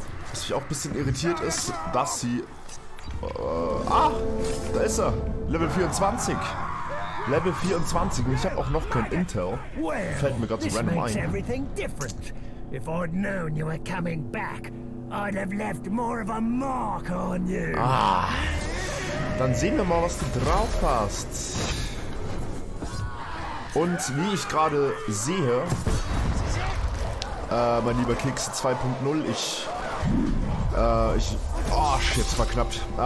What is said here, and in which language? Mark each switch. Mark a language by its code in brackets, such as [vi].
[de] Was mich auch ein bisschen irritiert ist, dass sie... Da ist er! Level 24! Level 24 und ich habe auch noch kein Intel. Fällt mir gerade so random ein. Das macht alles anders. [en] If I'd known you were coming back, I'd have left more of a mark on you. Ah! [de] Dann sehen wir mal, was du drauf hast. Und wie ich gerade sehe... mein lieber Kicks 2.0, oh shit, verknappt.